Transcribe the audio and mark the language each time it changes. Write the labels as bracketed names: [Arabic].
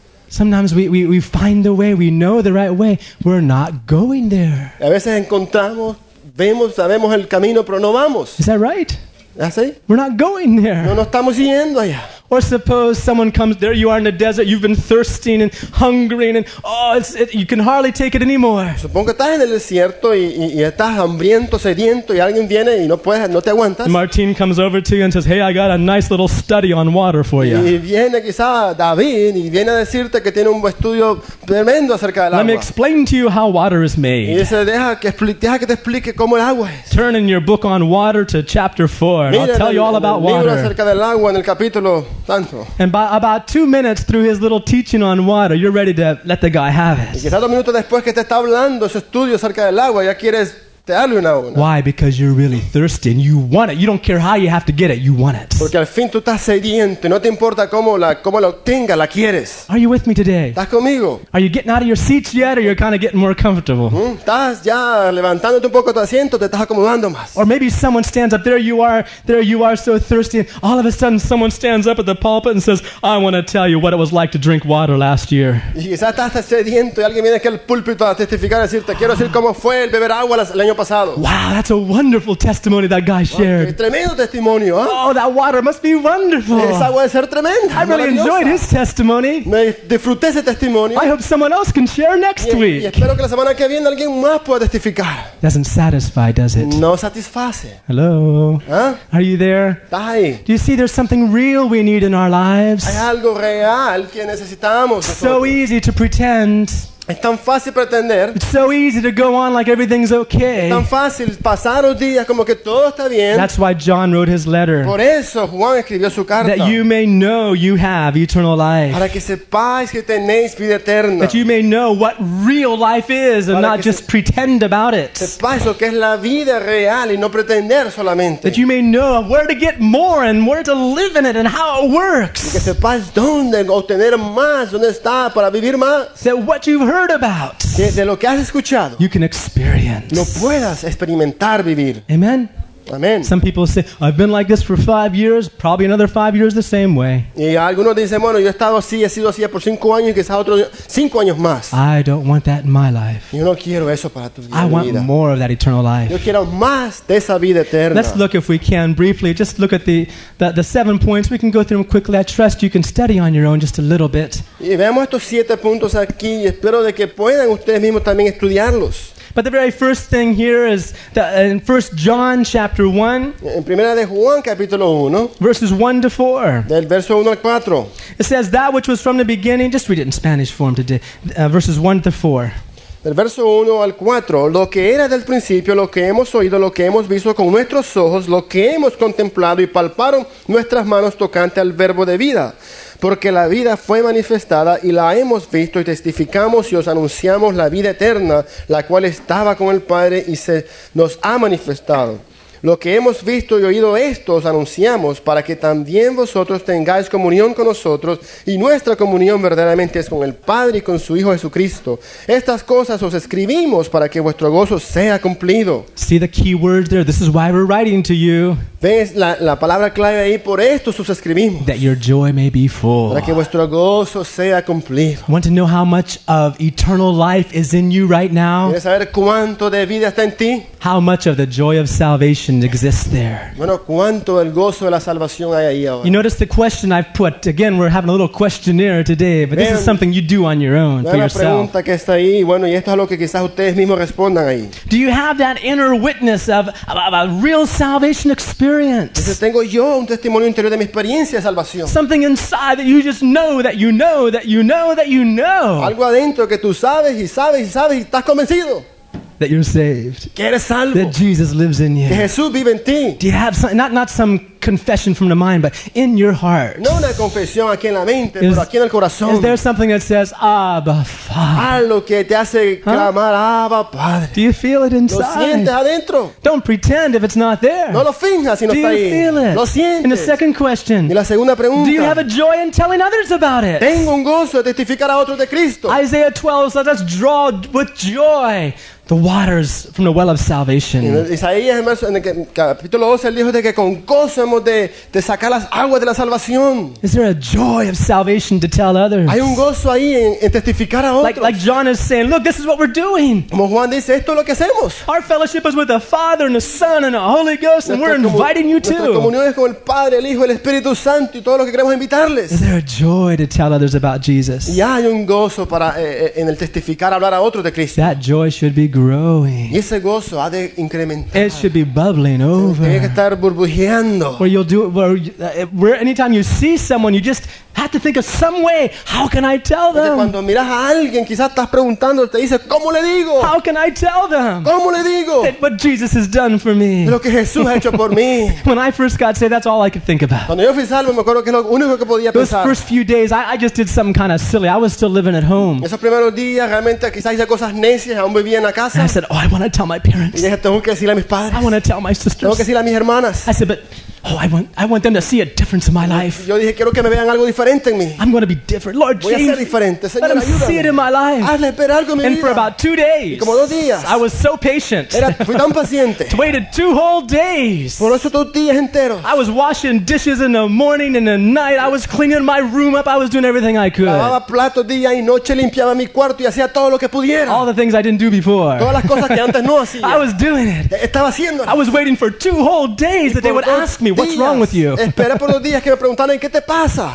[English] Sometimes we find the way, we know the right way. We're not going there. [Spanish] A veces encontramos, vemos, sabemos el camino, pero no vamos. [English] Is that right? [Spanish] ¿Así? [English] We're not going there. [Spanish] No estamos yendo allá. [English] Or suppose someone comes, there you are in the desert, you've been thirsting and hungering, and oh, you can hardly take it anymore. [Spanish] Supongo que estás en el desierto y estás hambriento, sediento, y alguien viene y no te aguantas. [English] Martin comes over to you and says, hey, I got a nice little study on water for you. [Spanish] Y viene quizá David y viene a decirte que tiene un estudio tremendo acerca del agua. [English] Let me explain to you how water is made. [Spanish] Y dice, deja que te explique cómo el agua es. [English] Turn in your book on water to chapter 4. [Spanish] Mira, [English] I'll tell you all about water. [Spanish] Libro acerca del agua en el capítulo. [English] And by about 2 minutes through his little teaching on water, you're ready to let the guy have it. [Spanish] Y quizás 2 minutos después que te está hablando ese estudio acerca del agua, ya quieres te darle una. [English] Why? Because you're really thirsty and you want it. You don't care how you have to get it. You want it. [Spanish] Porque al fin tú estás sediento y no te importa cómo la obtenga, la quieres. [English] Are you with me today? [Spanish] ¿Estás conmigo? [English] Are you getting out of your seats yet, or you're kind of getting more comfortable? [Spanish] ¿Estás ya levantándote un poco tu asiento, te estás acomodando más? [English] Or maybe someone stands up. There you are, so thirsty. And all of a sudden, someone stands up at the pulpit and says, "I want to tell you what it was like to drink water last year." [Spanish] Y quizás estás sediento y alguien viene aquí al púlpito a testificar y decirte, quiero decir cómo fue el beber agua el año. [English] Wow, that's a wonderful testimony that guy shared. [Spanish] Tremendo testimonio, ¿eh? [English] Oh, that water must be wonderful. [Spanish] Esa agua debe ser tremenda. [English] I really enjoyed his testimony. [Spanish] Me disfruté ese testimonio. [English] I hope someone else can share next week. [Spanish] Y espero que la semana que viene alguien más pueda testificar. [English] Doesn't satisfy, does it? [Spanish] No satisface. [English] Hello. [Spanish] ¿Eh? [English] Are you there? [Spanish] Ahí. [English] Do you see there's something real we need in our lives? [Spanish] Hay algo real que necesitamos. [English] So easy to pretend. [Spanish] Es tan fácil pretender. [English] It's so easy to go on like everything's okay. [Spanish] Es tan fácil pasar los días como que todo está bien. [English] That's why John wrote his letter. [Spanish] Por eso Juan escribió su carta. [English] That you may know you have eternal life. [Spanish] Para que sepáis que tenéis vida eterna. [English] That you may know what real life is and not just pretend about it. [Spanish] Sepáis lo que es la vida real y no pretender solamente. [English] That you may know where to get more and where to live in it and how it works. [Spanish] Y que sepáis dónde obtener más, dónde está para vivir más. [English] So what you've heard about. [Spanish] De lo que has escuchado. [English] You can experience. [Spanish] Lo puedas experimentar vivir. [English] Amen. [Spanish] Amen. [English] Some people say, I've been like this for 5 years, probably another 5 years the same way. [Spanish] Y algunos dicen, bueno, yo he estado así, he sido así por 5 años y quizás otros 5 años más. [English] I don't want that in my life. [Spanish] Yo no quiero eso para tu vida. [English] I want more of that eternal life. [Spanish] Yo quiero más de esa vida eterna. [English] Let's look, if we can, briefly, just look at the 7 points. We can go through them quickly. I trust you can study on your own just a little bit. [Spanish] Y veamos estos 7 puntos aquí y espero de que puedan ustedes mismos también estudiarlos. [English] But the very first thing here is that in 1 John chapter 1, [Spanish] en primera de Juan, capítulo 1, [English] verses 1 to 4, [Spanish] del verso 1 al 4, [English] it says, that which was from the beginning, just read it in Spanish form today, verses 1 to 4. [Spanish] Del verso 1 al 4, lo que era del principio, lo que hemos oído, lo que hemos visto con nuestros ojos, lo que hemos contemplado y palparon nuestras manos tocante al verbo de vida. Porque la vida fue manifestada y la hemos visto y testificamos y os anunciamos la vida eterna, la cual estaba con el Padre y se nos ha manifestado. Lo que hemos visto y oído esto os anunciamos para que también vosotros tengáis comunión con nosotros y nuestra comunión verdaderamente es con el Padre y con su Hijo Jesucristo. Estas cosas os escribimos para que vuestro gozo sea cumplido. [English] See the key words there. This is why we're writing to you. [Spanish] ¿Ves la palabra clave ahí? Por esto os escribimos. [English] That your joy may be full. [Spanish] Para que vuestro gozo sea cumplido. [English] Want to know how much of eternal life is in you right now? [Spanish] ¿Quieres saber cuánto de vida está en ti? [English] How much of the joy of salvation exists there? [Spanish] Bueno, ¿cuánto el gozo de la salvación hay ahí ahora? [English] You notice the question I've put. Again, we're having a little questionnaire today, but this is something you do on your own, for yourself. [Spanish] La pregunta que está ahí, bueno, y esto es lo que quizás ustedes mismos respondan ahí. [English] Do you have that inner witness of a real salvation experience? [Spanish] Entonces, tengo yo un testimonio interior de mi experiencia de salvación. [English] Something inside that you just know that you know that you know that you know. [Spanish] Algo adentro que tú sabes y sabes y sabes y estás convencido. [English] That you're saved. [Spanish] Que eres salvo. [English] That Jesus lives in you. [Spanish] Que Jesús vive en ti. [English] Do you have some, not some confession from the mind, but in your heart? [Spanish] No una confesión aquí en la mente, pero aquí en el corazón. [English] Is there something that says, Abba, Father? [Spanish] Algo que te hace clamar, Abba, Padre. [English] Do you feel it inside? [Spanish] Lo sientes adentro. [English] Don't pretend if it's not there. [Spanish] No lo finjas si no está ahí. [English] Do you feel it? [Spanish] Lo sientes. [English] And the second question. [Spanish] Y la segunda pregunta. [English] Do you have a joy in telling others about it? [Spanish] Tengo un gozo de testificar a otros de Cristo. [English] Isaiah 12 says, let's draw with joy the waters from the well of salvation. [Spanish] Isaías en el capítulo 12 dijo de que con gozo hemos debemos de sacar las aguas de la salvación. [English] Is there a joy of salvation to tell others? [Spanish] Hay un gozo ahí en testificar a otros. [English] Like John is saying, look, this is what we're doing. [Spanish] Como Juan dice, esto es lo que hacemos. [English] Our fellowship is with the Father and the Son and the Holy Ghost, and we're inviting you too. [Spanish] Nuestra comunión es con el Padre, el Hijo, el Espíritu Santo y todos los que queremos invitarles. [English] Is there a joy to tell others about Jesus? [Spanish] Y hay un gozo para en el testificar, hablar a otros de Cristo. [English] That joy should be growing. [Spanish] Y ese gozo ha de incrementar. [English] It should be bubbling over. [Spanish] Tiene que estar burbujeando. [English] Where you'll do it, where anytime you see someone, you just have to think of some way. How can I tell them? [Spanish] Cuando miras a alguien, quizás estás preguntando, te dices, ¿cómo le digo? [English] How can I tell them? [Spanish] ¿Cómo le digo? [English] What Jesus has done for me. [Spanish] Lo que Jesús ha hecho por mí. [English] When I first got saved, that's all I could think about. [Spanish] Cuando yo fui salvo, me acuerdo que lo único que podía pensar. [English] Those first few days, I just did something kind of silly. I was still living at home. [Spanish] Esos primeros días, realmente, quizás hice cosas necias. Aún vivía en la casa. [English] And I said, oh, I want to tell my parents. [Spanish] Y dije, tengo que decirle a mis padres. [English] I want to tell my sisters. [Spanish] Tengo que decirle a mis hermanas. [English] I said, but oh, I want them to see a difference in my life. [Spanish] Yo dije, quiero que me vean algo diferente en mí. [English] I'm going to be different. Lord [Spanish] Jesus, voy a ser diferente. Señor, [English] let them [Spanish] ayúdame. [English] See it in my life. [Spanish] Hazle ver algo en [English] and for [Spanish] vida. [English] About 2 days, [Spanish] como dos días, [English] I was so patient. [Spanish] Fui tan paciente. [English] Waited 2 whole days. [Spanish] Por eso 2 días enteros. [English] I was washing dishes in the morning and the night. I was cleaning my room up. I was doing everything I could. [Spanish] Lavaba platos día y noche, limpiaba mi cuarto y hacía todo lo que pudiera. [English] All the things I didn't do before. [Spanish] Todas las cosas que antes no hacía. [English] I was doing it. [Spanish] Estaba haciéndolo. [English] I was waiting for 2 whole days that they would ask me, what's wrong with you? [Spanish] Esperé por los días que me preguntaron, ¿qué te pasa?